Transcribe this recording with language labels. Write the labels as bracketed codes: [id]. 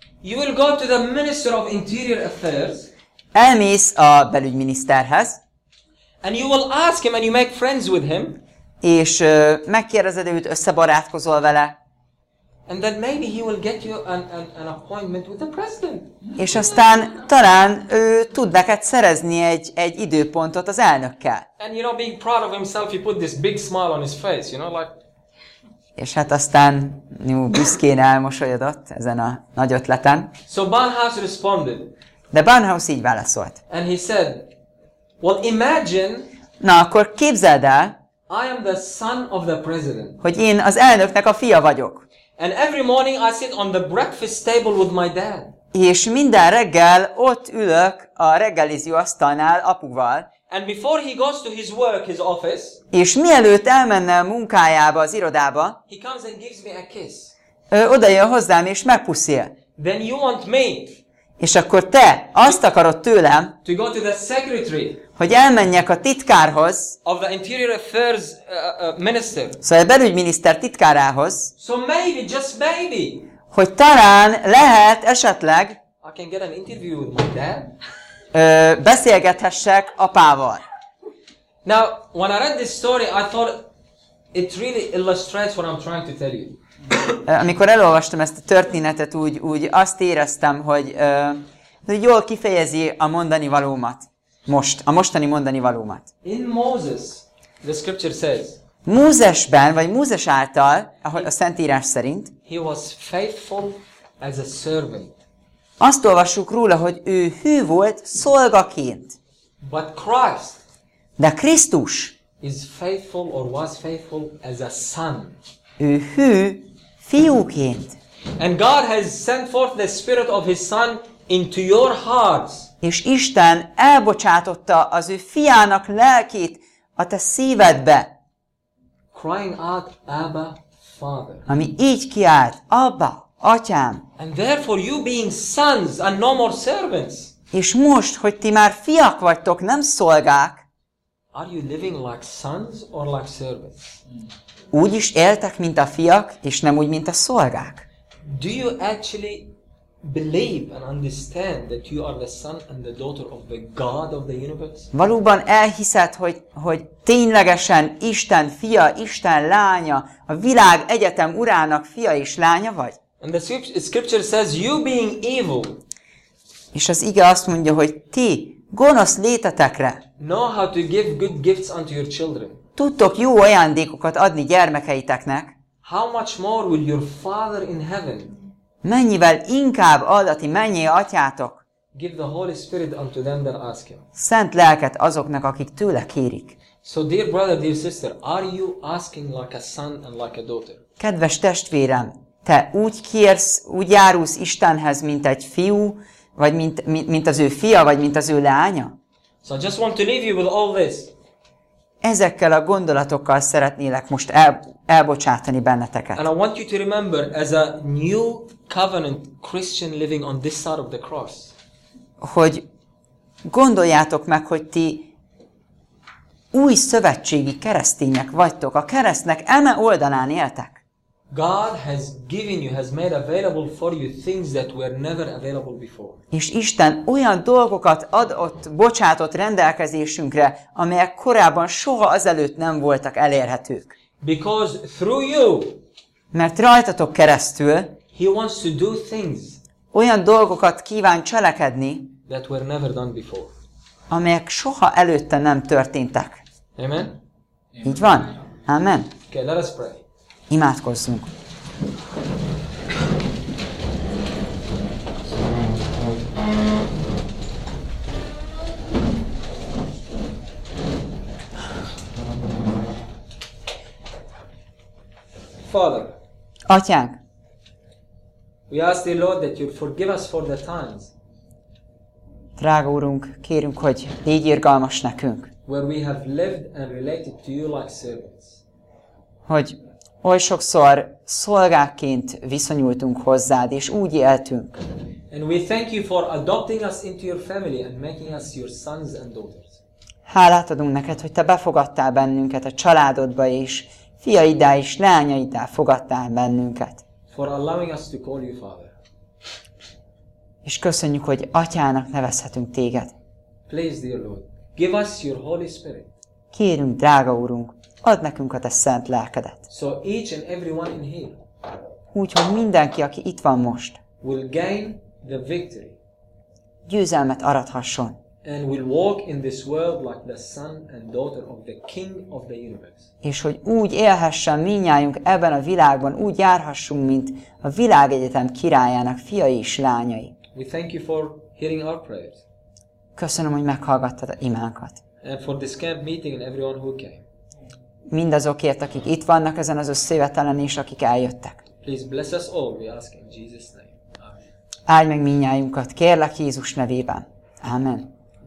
[en] You will go to the Minister of Interior Affairs. [hu] Elmész a belügyminiszterhez. [en] And you will ask him and you make friends with him. [hu] És megkérdezed őt, összebarátkozol vele. [en] And then maybe he will get you an appointment with the president. [hu] És aztán talán ő tud neked szerezni egy időpontot az elnökkel. [en] And you know, being proud of himself, he put this big smile on his face, you know, like. [hu] És hát aztán büszkén elmosolyodott ezen a nagy ötleten. [en] So Barnhouse responded. [hu] De Barnhouse így válaszolt. [en] And he said, well, imagine. [hu] Na akkor képzeld el. [en] I am the son of the president. [hu] Hogy én az elnöknek a fia vagyok. [en] And every morning I sit on the breakfast table with my dad. [hu] És minden reggel ott ülök a reggeliző asztalnál apuval. [en] And before he goes to his work, his office. [hu] És mielőtt elmenne a munkájába, az irodába. [en] He comes and gives me a kiss. [hu] Oda jön hozzám és megpuszil. [en] Then you want me. [hu] És akkor te azt akarod tőlem, [en] to go to the secretary, [hu] hogy elmenjek a titkárhoz, [en] of the interior affairs minister. [hu] Szóval a belügyminiszter titkárához, [en] so maybe, just maybe, [hu] hogy talán lehet esetleg [en] I can get an interview with my dad. [hu] Beszélgethessek apával. [en] Now, when I read this story, I thought it really illustrates what I'm trying to tell you. [hu] Amikor elolvastam ezt a történetet, úgy azt éreztem, hogy jól kifejezi a mondani valómat. Most, a mostani mondani valómat. [en] In Moses, the scripture says. [hu] Mózesben, vagy Mózes által, ahogy a Szentírás szerint. [en] He was faithful as a servant. [hu] Azt olvassuk róla, hogy ő hű volt szolgaként. [en] But Christ. [hu] De Krisztus. [en] Is faithful or was faithful as a son. [hu] Ő hű fiúként. [en] And God has sent forth the spirit of his son into your hearts. [hu] És Isten elbocsátotta az ő fiának lelkét a te szívedbe. [en] Crying out, Abba, Father. [hu] Ami így kiált, Abba, Atyám. [en] And therefore you being sons and no more servants. [hu] És most, hogy ti már fiak vagytok, nem szolgák. [en] Are you living like sons or like servants? [hu] Úgy is éltek, mint a fiak, és nem úgy, mint a szolgák. [en] Do you actually believe and understand that you are the son and the daughter of the God of the universe? [hu] Valóban elhiszed, hogy ténylegesen Isten fia, Isten lánya, a világ egyetem urának fia és lánya vagy? [en] And the scripture says you being evil. [hu] És az ige azt mondja, hogy ti gonosz létetekre. [en] Know how to give good gifts unto your children. [hu] Tudtok jó ajándékokat adni gyermekeiteknek. [en] How much more will your father in heaven? [hu] Mennyivel inkább ad a ti mennyei atyátok? [en] Give the Holy Spirit unto them that ask him. [hu] Szent lelket azoknak, akik tőle kérik. [en] So dear brother, dear sister, are you asking like a son and like a daughter? [hu] Kedves testvérem, te úgy kérsz, úgy járulsz Istenhez, mint egy fiú, vagy mint az ő fia, vagy mint az ő leánya? [en] So I just want to leave you with all this. [hu] Ezekkel a gondolatokkal szeretnélek most elbocsátani benneteket. [en] And I want you to remember as a new covenant Christian living on this side of the cross. [hu] Hogy gondoljátok meg, hogy ti új szövetségi keresztények vagytok, a keresztnek eme oldalán éltek. [en] God has given you, has made available for you things that were never available before. [hu] És Isten olyan dolgokat adott, bocsátott rendelkezésünkre, amelyek korábban soha azelőtt nem voltak elérhetők. [en] Because through you, [hu] mert rajtatok keresztül, [en] he wants to do things, [hu] olyan dolgokat kíván cselekedni, [en] that were never done before. [hu] Amelyek soha előtte nem történtek. [en] Amen? [hu] Így van. Amen. [en] Okay, let us pray. [hu] Imádkozzunk. [en] Father. [hu] Atyánk. [en] We ask the Lord that you'll forgive us for the times. [hu] Drága Úrunk, kérünk, hogy légy irgalmas nekünk. [en] Where we have lived and related to you like servants. [hu] Hogy oly sokszor szolgákként viszonyultunk hozzád, és úgy éltünk. [en] And we thank you for adopting us into your family and making us your sons and daughters. [hu] Hálát adunk neked, hogy te befogadtál bennünket a családodba, és fiaiddá és leányaiddá fogadtál bennünket. [en] For allowing us to call you father. [hu] És köszönjük, hogy atyának nevezhetünk téged. [en] Please, dear Lord, give us your Holy Spirit. [hu] Kérünk, drága Úrunk, add nekünk a te szent lelkedet. [en] So each and everyone in here. [hu] Úgy, hogy mindenki, aki itt van most, [en] will gain the victory. [hu] Győzelmet arathasson. [en] And will walk in this world like the son and daughter of the King of the universe. [hu] És hogy úgy élhessen mindnyájunk ebben a világban, úgy járhassunk, mint a világegyetem királyának fiai és lányai. [en] We thank you for hearing our prayers. [hu] Köszönöm, hogy meghallgattad a imánkat. [en] And for this camp meeting and everyone who came. [hu] Mindazokért, akik itt vannak ezen az összejövetelen és akik eljöttek. [en] Please bless us all, we ask in Jesus' name. Amen. [hu] Áldj meg mindnyájunkat, kérlek Jézus nevében. Amen.